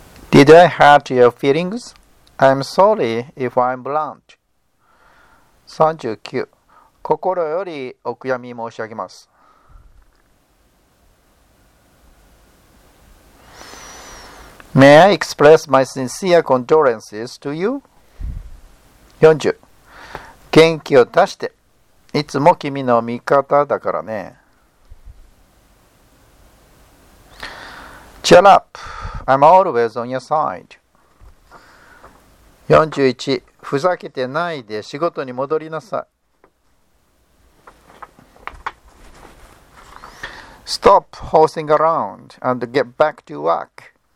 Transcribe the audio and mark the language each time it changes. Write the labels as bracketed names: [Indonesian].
[English] Did I hurt your feelings? I'm sorry if I'm blunt. 39. [Japanese] 心よりお悔やみ申し上げます。 [English] May I express my sincere condolences to you? [Japanese] 40. 元気を出して。いつも君の味方だからね。 [English] Cheer up. I'm always on your side. 41. [Japanese] ふざけてないで仕事に戻りなさい。 [English] Stop horsing around and get back to work.